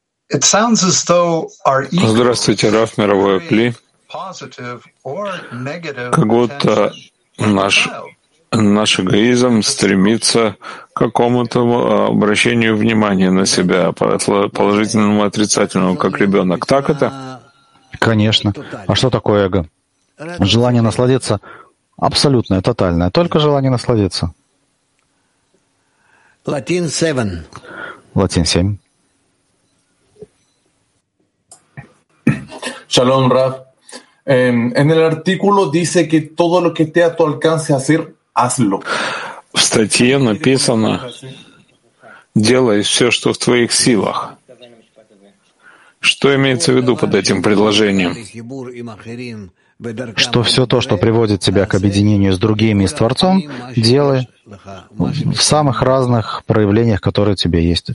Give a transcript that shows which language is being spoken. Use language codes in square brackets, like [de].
[en] It sounds as though our ego. [ru] Здравствуйте, Раф, мировое Кли. Как будто наш эгоизм стремится к какому-то обращению внимания на себя, положительному, отрицательному, как ребенок. Так это? Конечно. А что такое эго? Желание насладиться абсолютное, тотальное. Только желание насладиться. [en] Latin 7. [ru] Латин 7. Шалом, Рав. [es] En el artículo dice que todo lo que esté a tu alcance hacer, hazlo. [ru] В статье написано: делай все, что в твоих силах. Что имеется в виду под этим предложением? что все то, что приводит тебя к объединению с другими и с Творцом, делай в самых разных проявлениях, которые тебе есть.